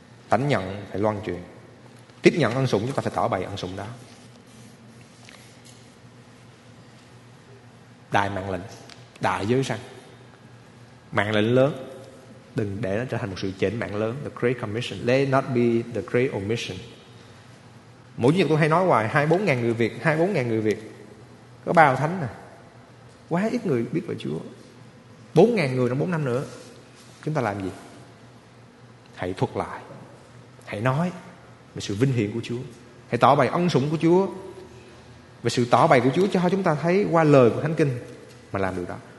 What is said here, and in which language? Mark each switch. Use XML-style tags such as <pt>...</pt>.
<vi>Lãnh nhận phải loan truyền, tiếp nhận ân sủng chúng ta phải tỏ bày ân sủng đó. Đại mạng lệnh, đại giới răn, mạng lệnh lớn, đừng để nó trở thành một sự chểnh mạng lớn.</vi> <en>The Great Commission, let not be the Great Omission.</en> <vi>Mỗi chủ nhật tôi hay nói hoài, 24.000 người Việt, 24.000 người Việt có bao thánh nè, quá ít người biết về Chúa. 4.000 người trong 4 năm nữa, chúng ta làm gì? Hãy thuật lại, hãy nói về sự vinh hiển của Chúa, hãy tỏ bày ân sủng của Chúa về sự tỏ bày của Chúa cho chúng ta thấy qua lời của Thánh Kinh mà làm điều đó.</vi>